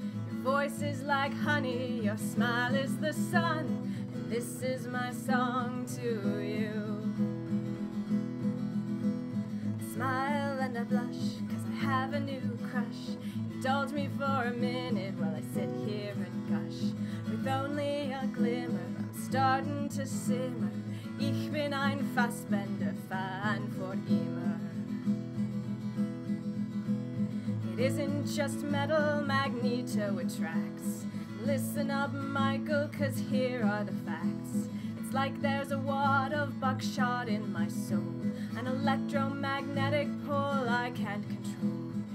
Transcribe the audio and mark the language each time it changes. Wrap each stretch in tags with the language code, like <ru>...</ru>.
<en>Your voice is like honey, your smile is the sun, and this is my song to you. I smile and I blush, 'cause I have a new crush. Indulge me for a minute while I sit here and gush. With only a glimmer, I'm starting to simmer.</en> <de>Ich bin ein Fassbender Fan for immer.</de> <en>It isn't just metal Magneto attracts. Listen up, Michael, 'cause here are the facts. It's like there's a wad of buckshot in my soul, an electromagnetic pull I can't control.</en>